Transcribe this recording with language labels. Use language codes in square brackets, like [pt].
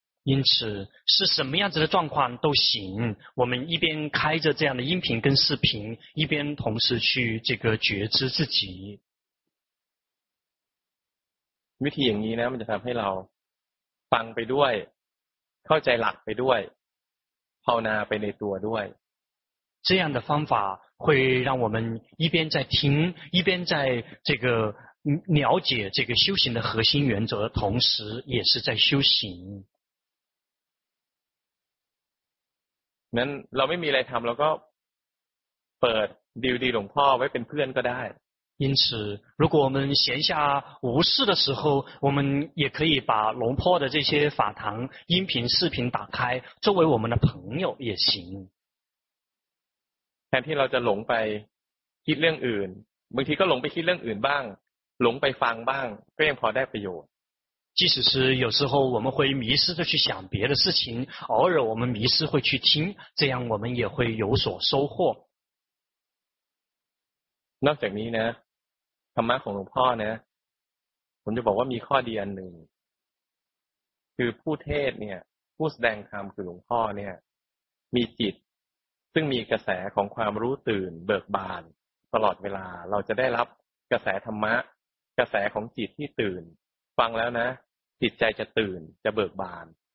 [zh] 因此是什么样子的状况都行我们一边开着这样的音频跟视频一边同时去这个觉知自己 [th] วิธีอย่างนี้นะมันจะทำให้เราฟังไปด้วยเข้าใจหลักไปด้วยภาวนาไปในตัวด้วย [zh] 这样的方法会让我们一边在听一边在这个了解这个修行的核心原则同时也是在修行 [th] นั้นเราไม่มีอะไรทำเราก็เปิดดีวดีหลวงพ่อไว้เป็นเพื่อนก็ได้ [zh] 因此如果我们闲下无事的时候我们也可以把龙坡的这些法堂音频视频打开作为我们的朋友也行 [th] แทนที่เราจะหลงไปคิดเรื่องอื่นบางทีก็หลงไปคิดเรื่องอื่นบ้างหลงไปฟังบ้างก็ยังพอได้ประโยชน์ [zh] 即使是有时候我们会迷失的去想别的事情偶尔我们迷失会去听这样我们也会有所收获 [th] นอกจากนี้นะธรรมะของหลวงพ่อนะผมจะบอกว่ามีข้อดีอันหนึ่งคือผู้เทศเนี่ยผู้แสดงธรรมคือหลวงพ่อเนี่ยมีจิตซึ่งมีกระแสของความรู้ตื่นเบิกบานตลอดเวลาเราจะได้รับกระแสธรรมะกระแสของจิตที่ตื่นฟังแล้วนะจิตใจจะตื่นจะเบิกบาน